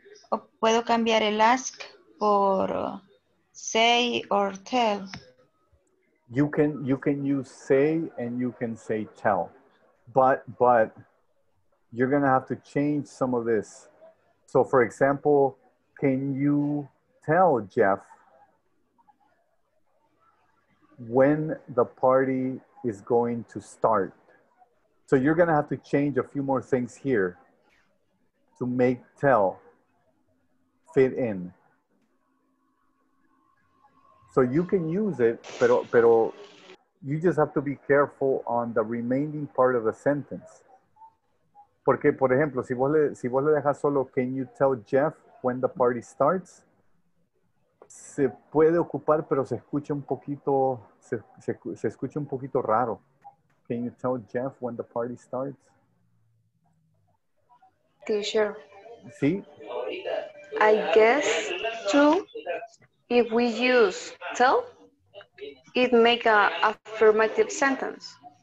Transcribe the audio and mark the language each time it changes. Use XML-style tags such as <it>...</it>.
<es>¿O puedo cambiar el ask por say or tell?</es> <en>You can use say and you can say tell. But you're going to have to change some of this. So, for example, can you tell Jeff when the party is going to start? So you're going to have to change a few more things here to make tell fit in. So you can use it,</en> <es>pero</es> <en>you just have to be careful on the remaining part of the sentence.</en> <es>Porque, por ejemplo, si vos le dejas solo,</es> <en>can you tell Jeff when the party starts?</en> <es>Se puede ocupar, pero se escucha un poquito raro.</es> <en>Can you tell Jeff when the party starts? Okay, sure.</en> <es>¿Sí?</es> <en>I guess too, if we use tell, it make a affirmative sentence.</en>